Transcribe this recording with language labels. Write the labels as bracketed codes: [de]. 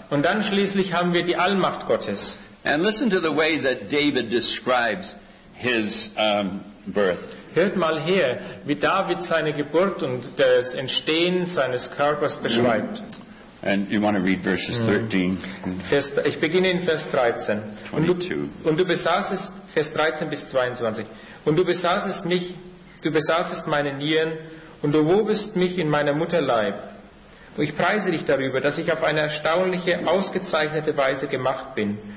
[de] Und dann schließlich haben wir die Allmacht Gottes. [en] And listen to the way that David describes his birth. [de] Hört mal her, wie David seine Geburt und das Entstehen seines Körpers beschreibt. [en] And you want to read verses 13. [de] Ich beginne in Vers 13. 22. Und du besaßest Vers 13 bis 22. Und du besaßest mich, du besaßest meine Nieren und du wobest mich in meiner Mutter Leib. Und ich preise dich darüber, dass ich auf eine erstaunliche, ausgezeichnete Weise gemacht bin.